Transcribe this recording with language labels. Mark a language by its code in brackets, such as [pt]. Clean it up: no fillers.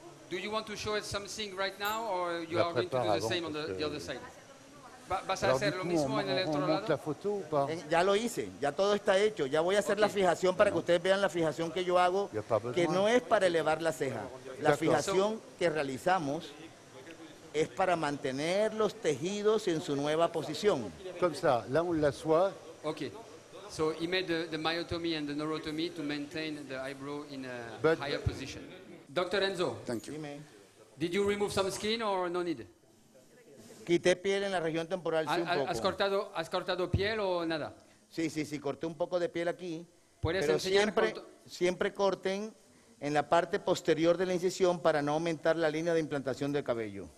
[en] Do you want to show us something right now or you la are going to do the same on the other side? [es] ¿Vas a hacer lo mismo en el otro lado? La foto, ya lo hice, ya todo está hecho. Ya voy a hacer okay. La fijación para que ustedes vean la fijación que yo hago, que no es para elevar la ceja. La fijación que realizamos es para mantener los tejidos en su nueva posición. Como ça, là on la soit. [en] Ok. So he made the myotomy and the neurotomy to maintain the eyebrow in a higher position. Dr. Enzo. Thank you. Did you remove some skin or no need? [es] Quité piel en la región temporal, sí, un poco. Has cortado piel o nada? Sí, sí, sí, corté un poco de piel aquí. ¿Puedes pero siempre, siempre corten en la parte posterior de la incisión para no aumentar la línea de implantación del cabello.